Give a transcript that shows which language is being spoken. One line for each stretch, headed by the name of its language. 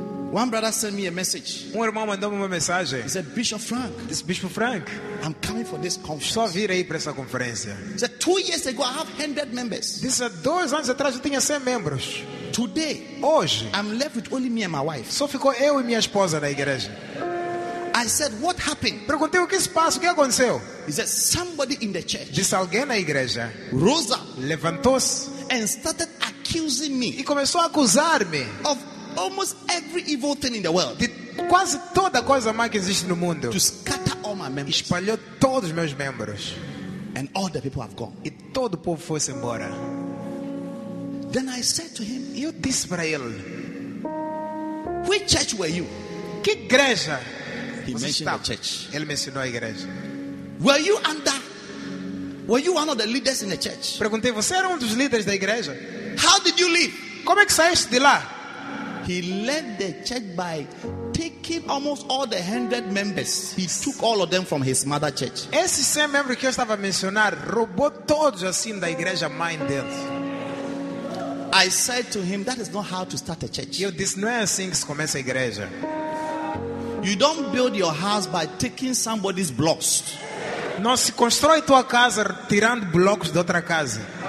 English: One brother sent me a message.
Portuguese: Um irmão mandou-me uma mensagem.
English: He said, Bishop Frank.
Portuguese: Disse, Bishop Frank.
English: I'm coming for this conference.
Portuguese: Só vir aí para essa conferência.
English: He said, 2 years ago I have 100 members.
Portuguese: Disse, 2 anos atrás eu tinha 100 membros.
English: Today,
Portuguese: hoje,
English: I'm left with only me and my wife.
Portuguese: Só ficou eu e minha esposa na igreja.
English: I said, what happened?
Portuguese: Perguntei o que se passa, o que aconteceu?
English: He said, somebody in the church.
Portuguese: Disse, alguém na igreja.
English: Rosa
Portuguese: levantou-se
English: and started accusing me.
Portuguese: E começou a acusar-me.
English: Of almost every evil thing in the world.
Portuguese: De quase toda coisa má que existe no mundo.
English: To scatter all my members.
Portuguese: Espalhou todos os meus membros.
English: And all the people have gone.
Portuguese: E todo o povo foi-se embora.
English: Then I said to him,
Portuguese: eu disse para ele,
English: which church were you?
Portuguese: Que igreja?
English: He mentioned the church.
Portuguese: Ele mencionou a igreja.
English: Were you under? Were you one of the leaders in the church?
Portuguese: Perguntei, você era dos líderes da igreja?
English: How did you leave?
Portuguese: Como saíste de lá?
English: He led the church by taking almost all the 100 members. He took all of them from his mother church.
Portuguese: Esse
English: same member
Portuguese: que eu estava a mencionar roubou todos assim da igreja mãe deles.
English: I said to him, that is not how to start a church.
Portuguese: Eu disse, não é assim que se começa a igreja.
English: You don't build your house by taking somebody's blocks.
Portuguese: Não se constrói tua casa tirando blocos de outra casa.